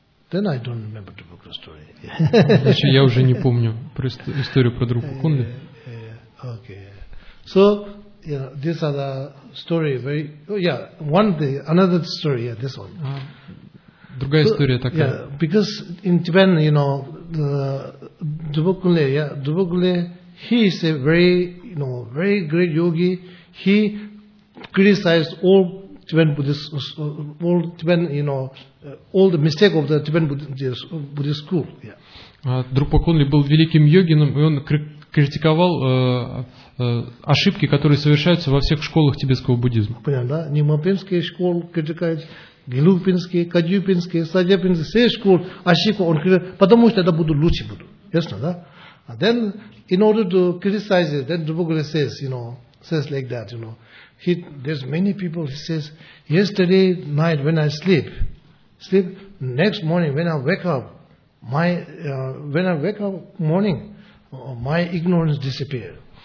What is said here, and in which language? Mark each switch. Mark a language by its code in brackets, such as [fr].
[en] Then I don't remember the Bukla story. [ru] Значит, я уже не помню про историю про Друпу Кунды. [en] Okay. So, you know, this are the story very another story, this one. [ru] Другая история такая. [en] Yeah, because in Tibetan, you know, the Dubogule, he is a very, you know, very great yogi. He criticized all Tibetan Buddhists, all Tibetan, you know, all the mistake of the Tibetan Buddhist school. Yeah. [ru] Drukpa Khunli был великим йогином, и он критиковал ошибки, которые совершаются во всех школах тибетского буддизма. Понятно, да? Нимапинские школы критикуют, Гелугпинские, Кадьюпинские, Садьяпинские, все школы, ошибки он критикует, потому что это будут лучше будут. Ясно, да? [en] And then, in order to criticize it, then Drupakula says, you know, says like that, you know, he, there's many people, he says, yesterday night when I sleep, next morning when I wake up, my ignorance disappears.